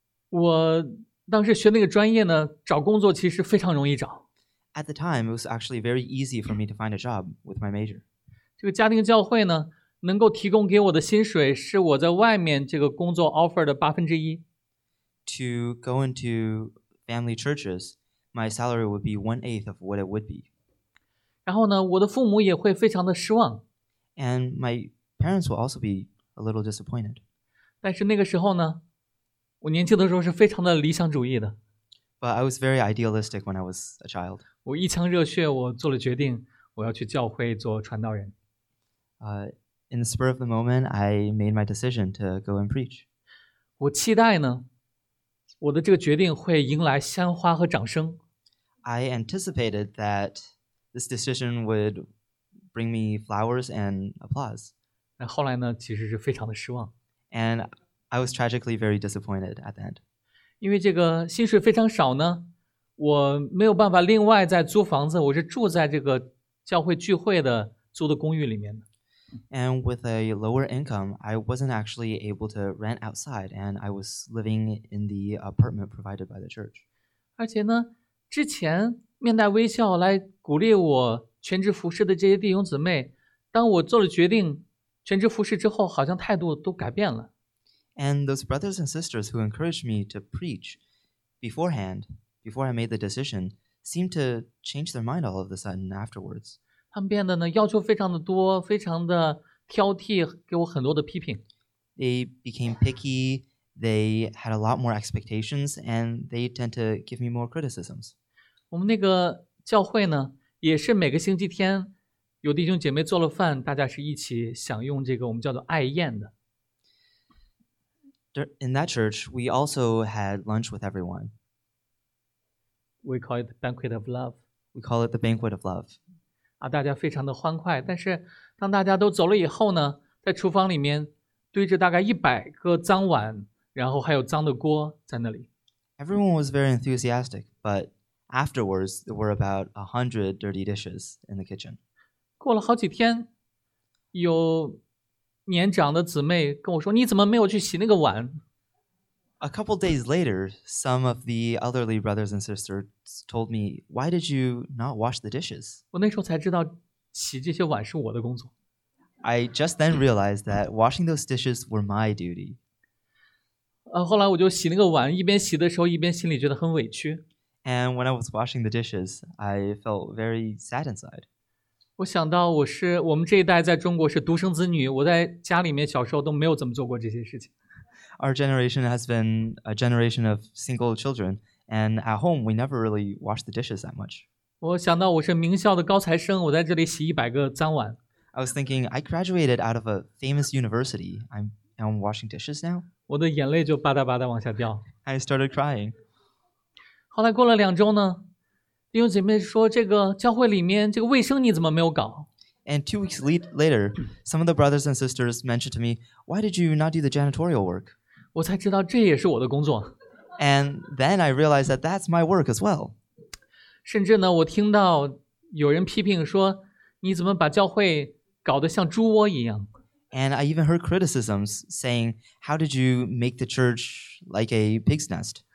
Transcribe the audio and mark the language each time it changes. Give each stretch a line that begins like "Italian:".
Chinese: 我当时学那个专业呢，找工作其实非常容易找。
English: At the time, it was actually very easy for me to find a job with my major.
Chinese: 这个家庭教会呢，能够提供给我的薪水是我在外面这个工作 offer 的1/8。
English: To go into family churches, my salary would be 1/8 of what it would be.
Chinese: 然后呢，我的父母也会非常的失望。
English: And my parents will also be a little disappointed.
Chinese: 但是那个时候呢，我年轻的时候是非常的理想主义的。
English: But I was very idealistic when I was a child.
Chinese: 我一腔热血，我做了决定，我要去教会做传道人。
English: In the spur of the moment, I made my decision to go and preach.
Chinese: 我期待呢，我的这个决定会迎来鲜花和掌声。
English: I anticipated that this decision would bring me flowers and applause.
Chinese: 那后来呢，其实是非常的失望。
English: And I was tragically very disappointed at the end.
Chinese: 因为这个薪水非常少呢，我没有办法另外再租房子，我是住在这个教会聚会的租的公寓里面的。
English: And with a lower income, I wasn't actually able to rent outside, and I was living in the apartment provided by the church.
Chinese: 而且呢，之前面带微笑来鼓励我全职服侍的这些弟兄姊妹，当我做了决定全职服侍之后，好像态度都改变了。
English: And those brothers and sisters who encouraged me to preach beforehand, before I made the decision, seemed to change their mind all of a sudden afterwards.
Chinese: 他们变得呢要求非常的多，非常的挑剔，给我很多的批评。
English: They became picky, they had a lot more expectations, and they tend to give me more criticisms.
Chinese: 我们那个教会呢，也是每个星期天有弟兄姐妹做了饭，大家是一起享用这个我们叫做爱宴的。
English: In that church, we also had lunch with everyone. We call it the banquet of love. We call it the banquet of love.
Chinese: 啊，大家非常的欢快，但是当大家都走了以后呢，在厨房里面堆着大概100个脏碗，然后还有脏的锅在那里。
English: Everyone was very enthusiastic, but afterwards there were about 100 dirty dishes in the kitchen.
Chinese: 过了好几天，有年长的姊妹跟我说：“你怎么没有去洗那个碗？”
English: A couple days later, some of the elderly brothers and sisters told me, "Why did you not wash the dishes?"
Chinese: 我那时候才知道，洗这些碗是我的工作。
English: I just then realized that washing those dishes were my duty.
Chinese: 后来我就洗那个碗，一边洗的时候，一边心里觉得很委屈。
English: And when I was washing the dishes, I felt very sad inside.
Chinese: 我想到我们这一代在中国是独生子女，我在家里面小时候都没有怎么做过这些事情。
English: Our generation has been a generation of single children, and at home we never really wash the dishes that much.
Chinese: 我想到我是名校的高材生，我在这里洗100个脏碗。
English: I was thinking, I graduated out of a famous university. I'm washing dishes now.
Chinese: 我的眼泪就巴嗒巴嗒往下掉。
English: I started crying.
Chinese: 后来过了两周呢，弟兄姐妹说这个教会里面这个卫生你怎么没有搞？
English: And 2 weeks later, some of the brothers and sisters mentioned to me, why did you not do the janitorial work?
Chinese: 我才知道这也是我的工作。
English: And then I realized that that's my work as well.
Chinese: 甚至呢，我听到有人批评说你怎么把教会搞得像猪窝一样
English: ？And I even heard criticisms saying, "How did you make the church like a pig's nest?"